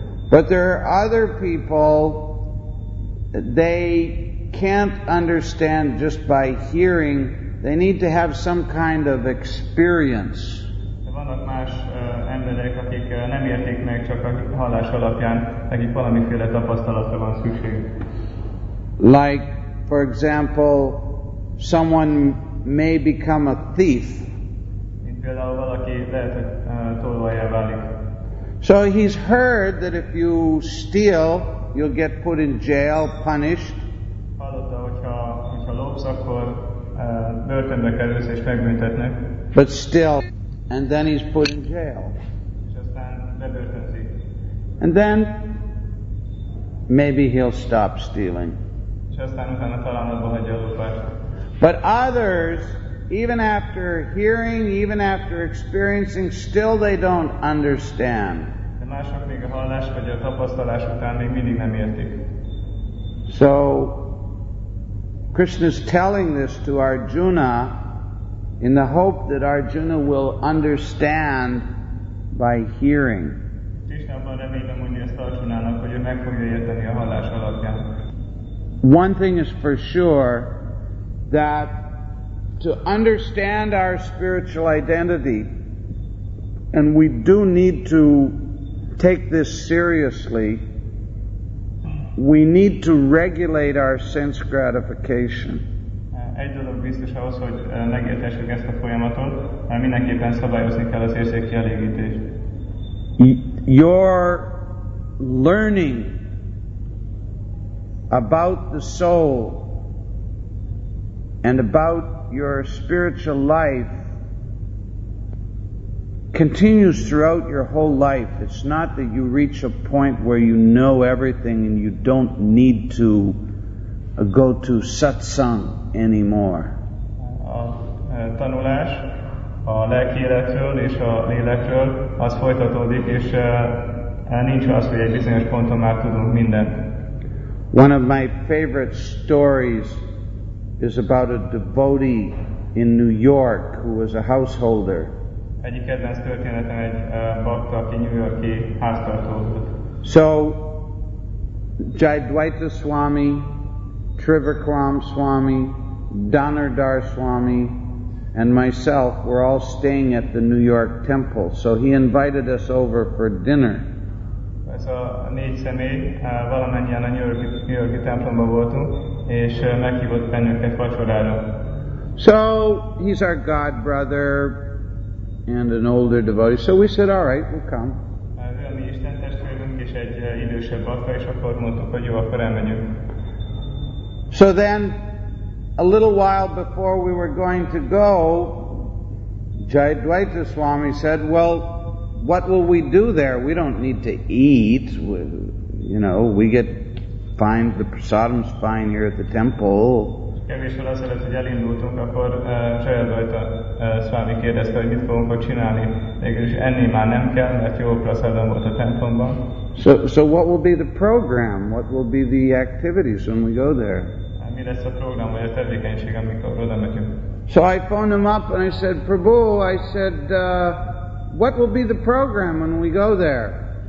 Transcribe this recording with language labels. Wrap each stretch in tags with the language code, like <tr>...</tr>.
<en>But there are other people, they can't understand just by hearing, they need to have some kind of experience.</en> <hu>Vannak más emberek, akik akik nem érték meg, csak a hallás alapján, nekik valamiféle tapasztalatra van szükség.</hu> <en>Like, for example, someone may become a thief.</en> <hu>Mint például valaki lehet, hogy tolvajjá válik.</hu> <en>So he's heard that if you steal, you'll get put in jail, punished.</en> <hu>Hallotta, hogyha lopsz, akkor börtönbe kerülsz és megbüntetnek.</hu> <en>But still, and then he's put in jail.</en> <hu>És aztán bebörtönzik.</hu> <en>And then, maybe he'll stop stealing.</en> <hu>És aztán utána talán abba hagyja a lopást.</hu> <en>But others, even after hearing, even after experiencing, still they don't understand.</en> <hu>De mások még a hallás vagy a tapasztalás után még mindig nem értik.</hu> <en>So Krishna's telling this to Arjuna in the hope that Arjuna will understand by hearing.</en> <hu>Krishnában remélem mondja ezt Arjunának, hogy ő meg fogja érteni a hallás alapján.</hu> <en>One thing is for sure, that to understand our spiritual identity, and we do need to take this seriously, we need to regulate our sense gratification.</en> <hu>Egy dolog biztos ahhoz, hogy megértessük ezt a folyamatot, mindenképpen szabályozni kell az érzékkielégítést.</hu> <en>Your learning about the soul and about your spiritual life continues throughout your whole life. It's not that you reach a point where you know everything and you don't need to go to satsang anymore.</en> <hu>A tanulás a lelki életről és a lélekről az folytatódik, és nincs az, hogy egy bizonyos ponton már tudunk mindent.</hu> <en>One of my favorite stories is about a devotee in New York who was a householder.</en> <hu>Egyik kedvenc történetem egy bhakta, aki New York-i háztartó volt.</hu> <en>So Jaidvaita Swami, Trivikram Swami, Dhanardhar Swami and myself were all staying at the New York temple. So he invited us over for dinner.</en> <hu>Ez a négy személy valamennyien a New York-i templomban voltunk, és meghívott bennünket vacsorára.</hu> <en>So he's our god brother and an older devotee. So we said, all right, we'll come.</en> <hu>Mi Isten testvérünk és egy idősebb bhakta, és akkor mondtuk, hogy jó, akkor elmenjünk.</hu> <en>So then, a little while before we were going to go, Jaidvaita Swami said, well, what will we do there? We don't need to eat. We get fine, the prasadam's fine here at the temple.</en> <hu>Kevéssel azelőtt, hogy elindultunk, akkor Jaidvaita Swami kérdezte, hogy mit fogunk ott csinálni. Mégis enni már nem kell, mert jó prasadam volt a templomban.</hu> <en>So what will be the program? What will be the activities when we go there?</en> <hu>Mi lesz a program, vagy a tevékenység, amikor oda megyünk?</hu> <en>So I phoned him up and I said, Prabhu, I said, what will be the program when we go there?</en>